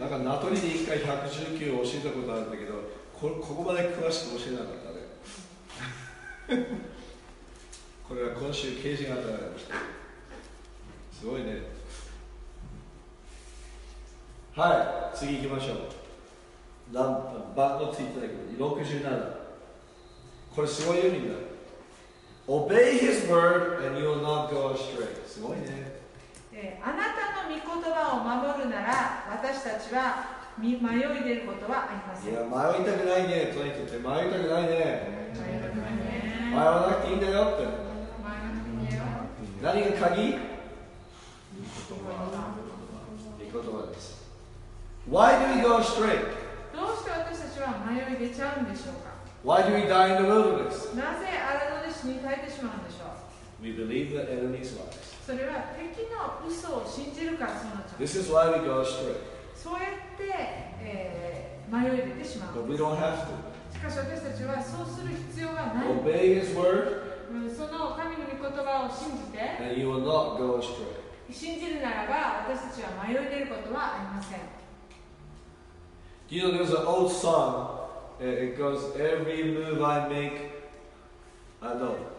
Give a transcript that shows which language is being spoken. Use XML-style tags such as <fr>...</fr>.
<ja>なんか名取で一回119を教えたことあるんだけど、ここまで詳しく教えなかったね。これは今週刑事が与えられました。すごいね。はい、次行きましょう。バッドツイッターだけど、67。これすごいよ、みんな。</ja> <en>Obey His word and you will not go astray.</en> <ja>すごいね。あなたの御言葉を守るなら、私たちは迷い出ることはありません。いや迷いたくないね、トニックって迷いたくないね。迷いたくないね。迷わなくていいんだよって。迷わなくていいよ。何が鍵？言葉、言葉です。</ja> <en>Why do we go astray?</en> <ja>どうして私たちは迷い出ちゃうんでしょうか。</ja> <en>Why do we die in the wilderness?</en> <ja>なぜ荒野で死に絶えてしまうんでしょう。</ja> <en>We believe the enemy's lies.</en> <ja>それは敵の嘘を信じるからそうなっちゃう。</ja> <en>This is why we go astray.</en> <ja>そうやって、迷い出てしまう。</ja> <en>But we don't have to.</en> <ja>しかし私たちはそうする必要がない。</ja> <en>Obey His word.</en> <ja>その神の御言葉を信じて。</ja> <en>And you will not go astray.</en> <ja>信じるならば私たちは迷い出ることはありません。</ja> <en>You know, there's an old song. It goes, every move I make, I know.</en>